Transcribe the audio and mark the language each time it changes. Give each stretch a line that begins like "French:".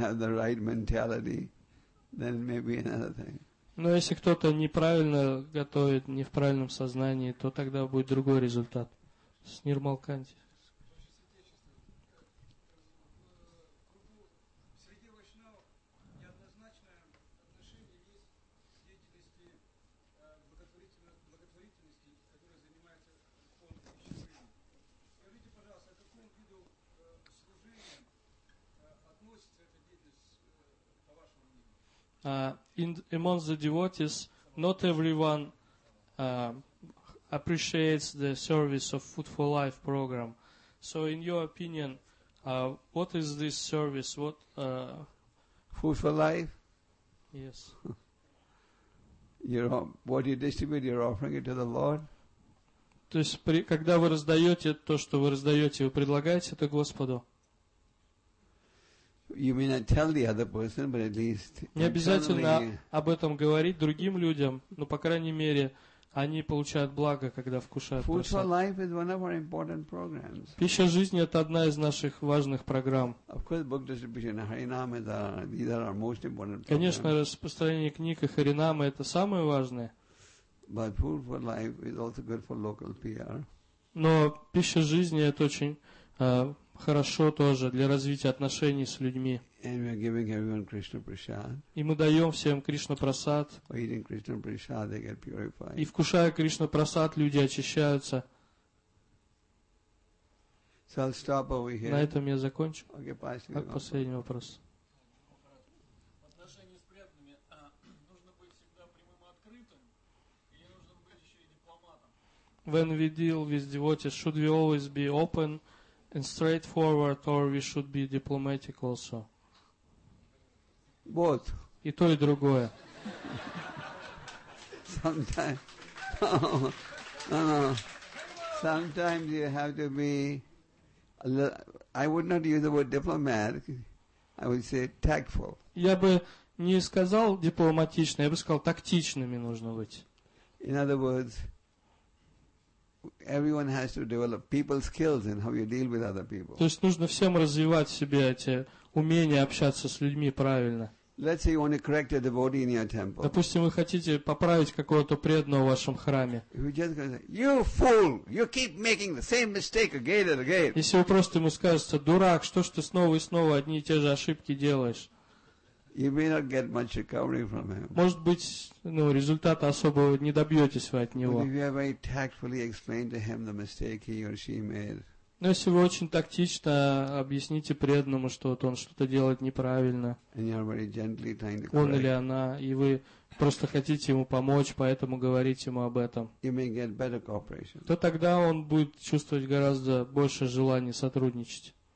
English: have the right mentality, then maybe another thing.
Russian: Но если кто-то неправильно готовит, не в правильном сознании, то тогда будет другой результат. С Нирмалканти.
English: Amongst the devotees, not everyone appreciates the service of Food for Life program. So, in your opinion, what is this service? What Food for Life? Yes. What you distribute, you're offering it to the Lord.
Russian: То есть, когда вы раздаете то, что вы раздаете, вы предлагаете это Господу.
English: You may not tell the other person, but at least
Russian: не обязательно об этом говорить другим людям, но по крайней мере они получают благо, когда вкушают.
English: Food for Life is one of our important programs.
Russian: Пища жизни — это одна из наших важных программ.
English: Of course, book distribution, Харинамы, these are our most important programs.
Russian: Конечно, распространение книг и Харинамы — это самое важное.
English: But Food for Life is also good for local PR.
Russian: Но пища жизни — это очень хорошо тоже для развития отношений с людьми.
English: And we are giving everyone Krishna prasad.
Russian: И мы даем всем Кришна прасад.
English: By eating Krishna prasad, they get purified.
Russian: И вкушая Кришна прасад, люди очищаются.
English: So I'll stop over here.
Russian: На этом я закончу.
English: Okay, pass
Russian: как последний вопрос.
English: When we deal with devotees, should we always be open and straightforward, or we should be diplomatic also? Both.
Russian: И то, и другое.
English: Sometimes. No. Sometimes you have to be... I would not use the word diplomat. I would say tactful.
Russian: Я бы не сказал дипломатично, я бы сказал тактичными нужно быть.
English: In other words... Everyone has to develop people skills in how you deal with other people.
Russian: То есть нужно всем развивать в себе эти умения общаться с людьми правильно.
English: Let's say you want to correct a devotee in your temple.
Russian: Допустим, вы хотите поправить какого-то преданного в вашем храме.
English: You fool! You keep making the same mistake again and again.
Russian: Если вы просто ему скажете, дурак, что ж ты снова и снова одни и те же ошибки делаешь?
English: You may not get much recovery from him.
Russian: Может быть, ну, результата особого не добьетесь вы от него.
English: But if you very tactfully explain to him the mistake he or she made.
Russian: Но если вы очень тактично объясните преданному, что вот он что-то делает неправильно, он или она, и вы просто хотите ему помочь, поэтому говорите ему об этом, то тогда он будет чувствовать гораздо больше желания сотрудничать.